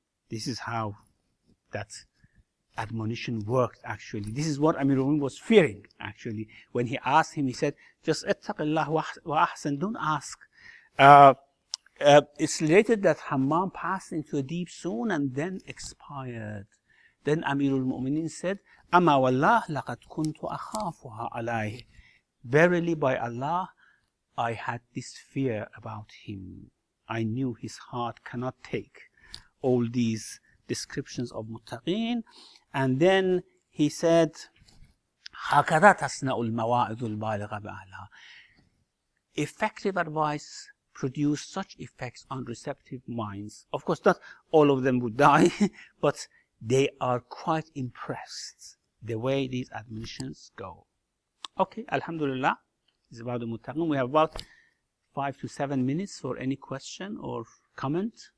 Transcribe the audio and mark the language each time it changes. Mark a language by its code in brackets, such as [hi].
[en] This is how that admonition worked actually. This is what Amir al-Mu'minin was fearing actually. When he asked him, he said, just [ar] اتق الله واحسن, [en] don't ask. It's related that Hammam passed into a deep swoon and then expired. Then Amir al-Mu'minin said, [ar] أما والله لقد كنت أخافها عليه. [en] Verily by Allah, I had this fear about him. I knew his heart cannot take all these descriptions of muttaqin. And then he said, [ar] هكذا تصنع المواعظ البالغة بأهلها. [en] Effective advice produced such effects on receptive minds. Of course, not all of them would die, but they are quite impressed. The way these admonitions go. Okay, Alhamdulillah. It's about the Muttaqin. We have about 5 to 7 minutes for any question or comment.